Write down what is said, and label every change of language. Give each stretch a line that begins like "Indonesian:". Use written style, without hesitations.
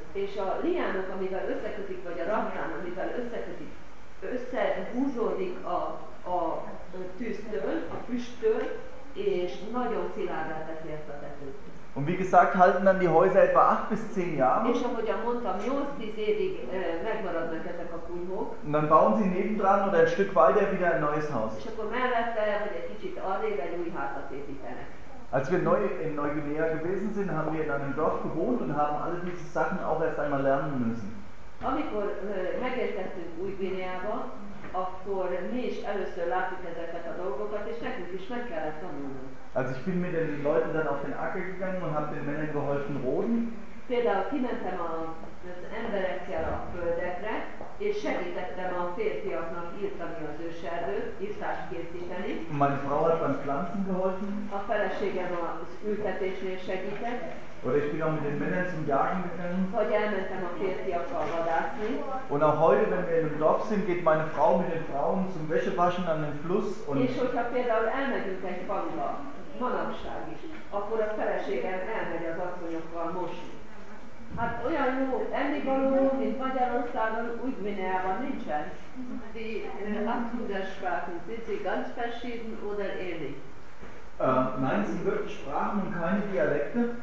Hungarian: És a liánok, amivel összekötik, vagy a rattan, amivel összekötik, összehúzódik a tűztől, a füsttől, és nagyon szilárdá teszi ezt a tetőt.
German: Und wie gesagt, halten dann die Häuser etwa 8 bis 10 Jahre.
Hungarian: És ahogy mondtam, 8-10 évig megmaradnak ezek a kunyhók.
German: Und dann bauen sie nebendran oder ein Stück weiter wieder ein neues Haus.
Hungarian: És akkor mellette, hogy egy kicsit arrébb egy új házat építenek.
German: Als wir in Neuguinea gewesen sind, haben wir dann im Dorf gewohnt und haben alle diese Sachen auch erst einmal lernen müssen.
Hungarian: Amikor megérkeztünk Új-Guineába, akkor mi is először láttuk ezeket a dolgokat, és nekünk is meg kellett tanulnunk.
German: Also ich bin mit den Leuten dann auf den Acker gegangen und habe den Männern geholfen roden.
Hungarian: Például kimentem az emberekkel a földekre, és segítettem a férfiaknak írtani az őserdőt, írtást készíteni.
German: Und meine Frau hat beim Pflanzen geholfen.
Hungarian: A feleségem az ültetésnél segített.
German: Oder ich bin auch mit den Männern zum Jagen gegangen.
Hungarian: Vagy elmentem a férfiakkal vadászni.
German: Und auch heute, wenn wir in einem Dorf sind, geht meine Frau mit den Frauen zum Wäschewaschen an den Fluss. Und
Hungarian: és hogyha például elmegyünk egy faluba, manapság is, akkor a feleségem elmegy az asszonyokkal mosni. Hát olyan jó ennivaló, mint Magyarországon, úgy Guineában nincsen.
German: Die Abtudersprachen sind sie ganz verschieden oder ähnlich. Nein, es sind wirklich Sprachen und keine Dialekte.